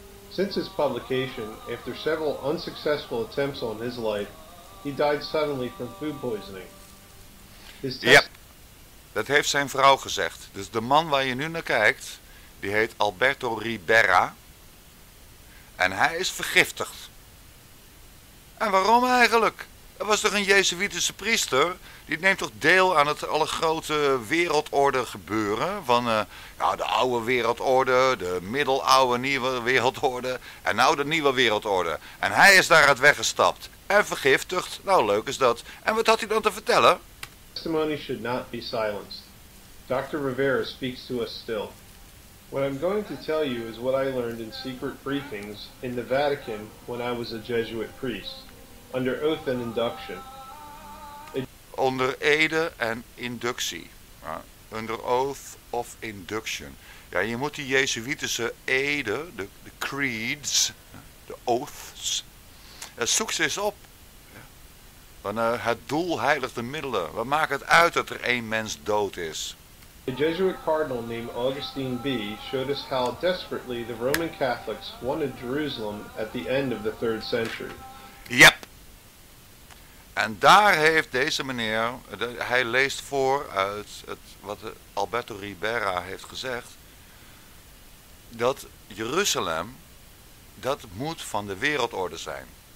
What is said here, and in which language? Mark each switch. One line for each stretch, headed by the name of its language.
English: Since his publication, after several unsuccessful attempts on his life, he died suddenly from food poisoning.
Dutch: Dat heeft zijn vrouw gezegd. Dus de man waar je nu naar kijkt, die heet Alberto Rivera. En hij is vergiftigd. En waarom eigenlijk? Er was toch een Jezuïtische priester? Die neemt toch deel aan het alle grote wereldorde gebeuren? Van de oude wereldorde, de middeloude nieuwe wereldorde en nou de nieuwe wereldorde. En hij is daaruit weggestapt en vergiftigd. Nou, leuk is dat. En wat had hij dan te vertellen?
English: Testimony should not be silenced. Dr. Rivera speaks to us still. What I'm going to tell you is what I learned in secret briefings in the Vatican when I was a Jesuit priest, under oath and induction.
Dutch: Onder ede en inductie.
English: Under oath of induction.
Dutch: Ja, je moet die Jezuïtische ede, de creeds, de oaths, zoek ze eens op. Van het doel heiligt de middelen. Wat maakt het uit dat er één mens dood is?
English: A Jesuit cardinal named Augustine B. showed us how desperately the Roman Catholics wanted Jerusalem at the end of the 3rd century. Yep.
Dutch: En daar heeft deze meneer, hij leest voor uit het, wat Alberto Rivera heeft gezegd, dat Jeruzalem, dat moet van de wereldorde zijn.